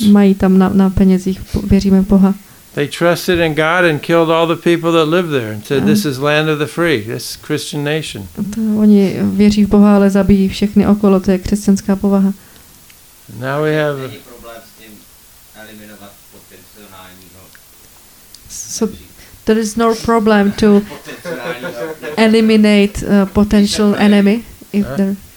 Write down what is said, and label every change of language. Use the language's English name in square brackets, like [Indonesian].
[Czech] Mají tam na penězích, věříme v Boha. [English] They trusted in God and killed all the people that lived there and said, this is land of the free, this is Christian nation. [Czech] Oni věří v Boha, ale zabijí všechny okolo, to je křesťanská povaha. [English] Now we have a [Czech] problém s tím eliminovat potenciálního. [English] There is no problem to eliminate a potential enemy if there.